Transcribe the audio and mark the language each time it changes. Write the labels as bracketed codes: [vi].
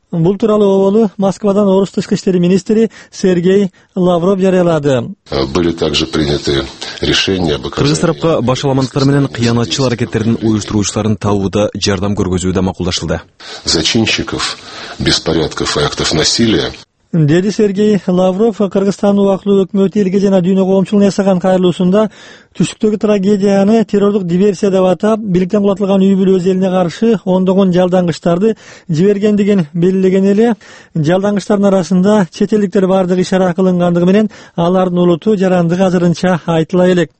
[ky] Бул тууралуу оболу Москвадан орус тышкы иштер министри Сергей Лавров жарыялады. [ru] Были также приняты решения об оказании. [ky] Кыргыз тарапка баш аламанттар менен кыянатчыл аракеттердин уюштуруучуларын табууда жардам көргөзүү да макулдашылды. [ru] Зачинщиков беспорядков и актов насилия. [ky] Деди Сергей Лавров Кыргызстандын убактылуу өкмөтү элге жана дүйнө коомчулугуна жасаган кайрылуусунда түштүктөгү трагедияны террордук диверсия деп атап, бийликтен кулатылган үй бүлө өз элине каршы ондогон жалдангычтарды жибергендигин белгилеген эле жалдангычтардын арасында чет элдиктер бардыгы ишара кылынгандыгы менен алардын улуту жарандыгы азырынча айтыла элек.